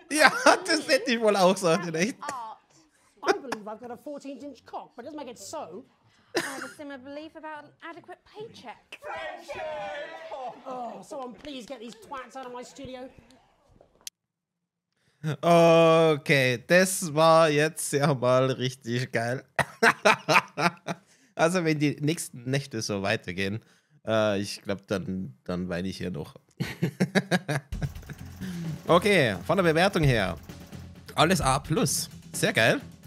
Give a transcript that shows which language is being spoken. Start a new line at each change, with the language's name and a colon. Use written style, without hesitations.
German: Yeah, das hätte ich wohl auch sagen, nicht?
English: I believe I've got a 14-inch cock, but it doesn't make it so. I have a similar belief about an adequate paycheck. Friendship! Oh, someone please get these twats out of my studio.
German: Okay, das war jetzt ja mal richtig geil. Also wenn die nächsten Nächte so weitergehen, ich glaube, dann weine ich hier noch. Okay, von der Bewertung her, alles A+. Sehr geil.